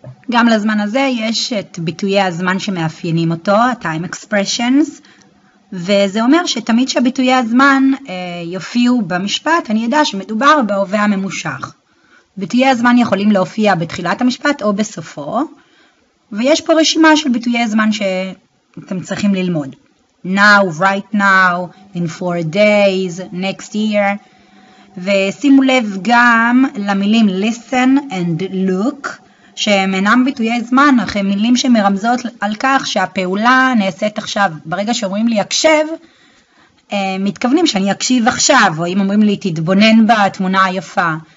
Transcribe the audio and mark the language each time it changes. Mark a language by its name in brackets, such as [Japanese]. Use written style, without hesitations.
[Hebrew] גם לזמן הזה יש את ביטויי הזמן שמאפיינים אותו, time expressions, וזה אומר שתמיד שהביטויי הזמן יופיעו במשפט, אני יודע שמדובר בהווה הממושך. ביטויי הזמן יכולים להופיע בתחילת המשפט או בסופו, ויש פה רשימה של ביטויי זמן שאתם צריכים ללמוד. [English] Now, right now, in 4 days, next year. [Hebrew] ושימו לב גם למילים [English] listen and look, [Hebrew] שהם אינם ביטויי זמן, אך הם מילים שמרמזות על כך שהפעולה נעשית עכשיו. ברגע שאומרים לי הקשב, מתכוונים שאני אקשיב עכשיו, או אם אומרים לי תתבונן בתמונה היפה.